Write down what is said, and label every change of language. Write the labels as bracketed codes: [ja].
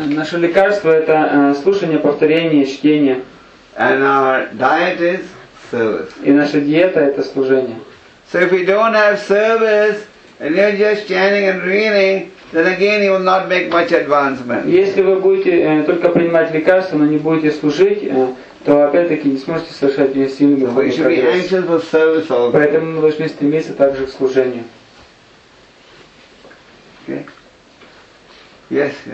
[ru] Наше лекарство это слушание, повторение, чтение. [en] And our diet is service. [ru] И наша диета это служение. [en] So if you don't have service and you're just chanting and reading, then again you will not make much advancement. [ru] Если вы будете только принимать лекарства, но не будете служить, то опять-таки не сможете совершать весь сильный духовный прогресс. Поэтому мы должны стремиться также к служению. [en] Okay. Yes.